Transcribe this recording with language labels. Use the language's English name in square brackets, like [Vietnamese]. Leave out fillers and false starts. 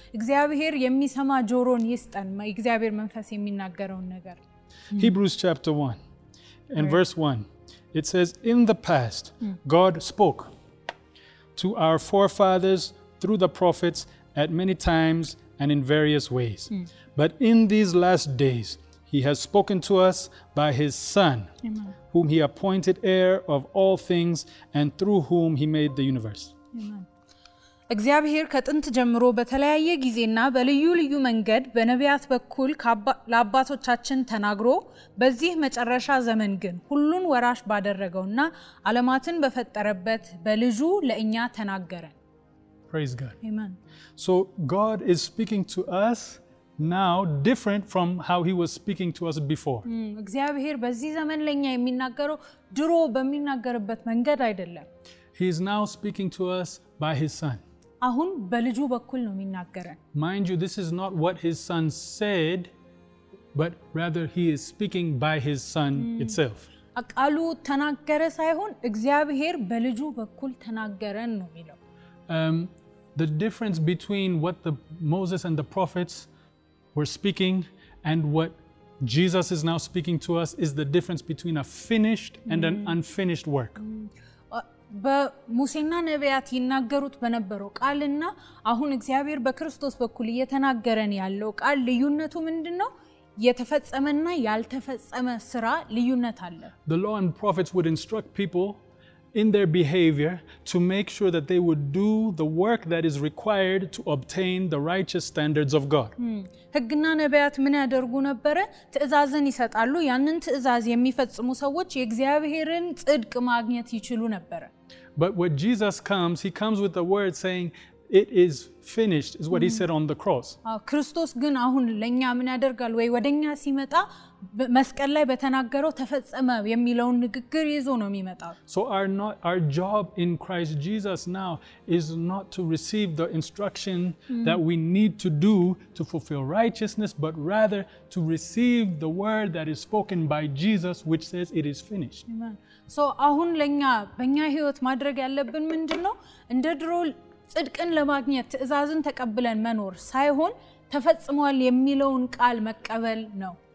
[Amharic] እግዚአብሔር የሚሰማ ጆሮን ይስጠን እግዚአብሔር መንፈስ የሚናገረውን ነገር. [English] Hebrews chapter 1 and verse 1 it says, in the past God spoke to our forefathers through the prophets at many times and in various ways. But in these last days he has spoken to us by his son. Amen. Whom he appointed heir of all things and through whom he made the universe. [Amharic] እግዚአብሔር ከጥንት ጀምሮ በተለያየ ጊዜና በልዩ ልዩ መንገድ በነቢያት በኩል ለአባቶቻችን ተናግሮ በዚህ መጨረሻ ዘመን ግን ሁሉን ወራሽ ባደረገውና ዓለማትን በፈጠረበት በልጁ ለእኛ ተናገረ. [English] Praise God. Amen. So God is speaking to us now different from how he was speaking to us before. [Amharic] እግዚአብሔር በዚህ ዘመን ለኛ የሚናገረው ድሮ በሚናገርበት መንገድ አይደለም. [English] He is now speaking to us by his son. [Amharic] አሁን በልጁ በኩል ነው የሚናገረን. [English] Mind you, this is not what his son said, but rather he is speaking by his son itself. [Amharic] አቃሉ ተናገረ ሳይሆን እግዚአብሔር በልጁ በኩል ተናገረን ነው የሚለው. [English] The difference between what the Moses and the prophets were speaking and what Jesus is now speaking to us is the difference between a finished and an unfinished work. [Amharic] በሙሴና ነቢያት ይናገሩት በነበረው ቃልና አሁን እግዚአብሔር በክርስቶስ በኩል እየተናገረን ያለው ቃል ልዩነቱ ምንድነው? የተፈጸመና ያልተፈጸመ ሥራ ልዩነት አለ. [English] The law and prophets would instruct people in their behavior to make sure that they would do the work that is required to obtain the righteous standards of God. [Amharic] ህግና ነቢያት ምን ያደርጉ ነበር? ትእዛዝን ይሰጣሉ ያንን ትእዛዝ የሚፈጽሙ ሰዎች የእግዚአብሔርን ጽድቅ ማግኘት ይችሉ ነበር. [English] But when Jesus comes, he comes with the word saying it is finished, is what he said on the cross. [Amharic] ክርስቶስ ግን አሁን ለኛ ምን ያደርጋል ወይ ወደኛ ሲመጣ መስቀል ላይ በተናገረው ተፈጸመ የሚለው ንግግር ይዞ ነው የሚመጣው [English] so our job in Christ Jesus now is not to receive the instruction that we need to do to fulfill righteousness but rather to receive the word that is spoken by Jesus which says it is finished [Amharic] so አሁን ለኛ በእኛ ህይወት ማድረግ ያለብን ምንድነው እንደ ድሮ ጽድቅን ለማግኘት ትእዛዝን ተቀብለን መኖር ሳይሆን ተፈጽሟል የሚለውን ቃል መቀበል ነው